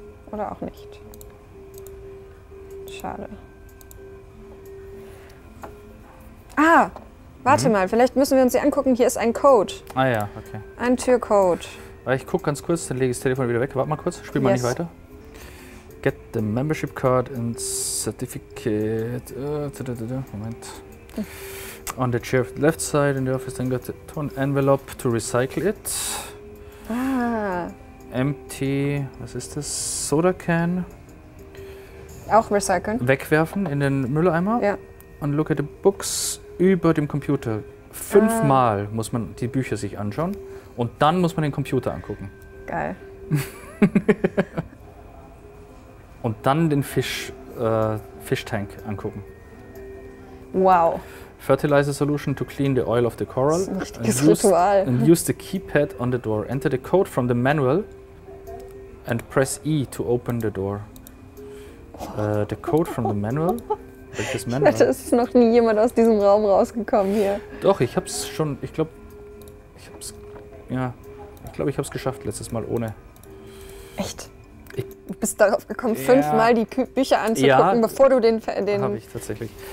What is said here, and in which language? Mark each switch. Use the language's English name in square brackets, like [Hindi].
[German] Oder auch nicht. Schade. Ah! Warte mal, vielleicht müssen wir uns die angucken. Hier ist ein Code. Ah ja, okay. Ein Türcode. Ich guck ganz kurz, dann lege ich das Telefon wieder weg. Warte mal kurz, spiel mal nicht weiter. [English] Get the membership card and certificate. Moment. On the chair of the left side in the office, then got the torn envelope to recycle it. Ah. Empty, [German] was ist das? [English] Soda can. [German] Auch recyceln. Wegwerfen in den Mülleimer. Ja. [English] And look at the books [German] über dem Computer. Fünfmal muss man die Bücher sich anschauen. Und dann muss man den Computer angucken. Geil. Und dann den Fischtank angucken. Wow. [English] Fertilizer solution to clean the oil of the coral. [German] Das ist ein richtiges Ritual. [English] And use the keypad on the door. Enter the code from the manual and press E to open the door. The code from the manual? [German] Welches Manual? Ich dachte, es ist noch nie jemand aus diesem Raum rausgekommen hier. Doch, ich hab's schon, ich glaube, ich hab's geschafft letztes Mal ohne. Echt? Du bist darauf gekommen, fünfmal die Bücher anzugucken, bevor du den habe ich tatsächlich.